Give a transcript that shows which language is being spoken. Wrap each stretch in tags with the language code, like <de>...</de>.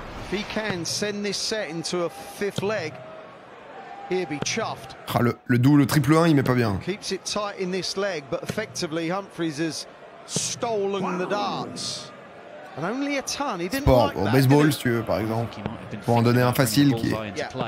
<en>If he can send this set into a fifth leg, he'll be chuffed.</en> <fr>Ah, le double, le triple 1, il met pas bien.</fr> <en>Keeps it tight in this leg, but effectively Humphries has stolen the darts. And only a ton. He didn't like that.</en> <fr>Baseball, si tu veux, par exemple, pour en donner un facile qui est.</fr>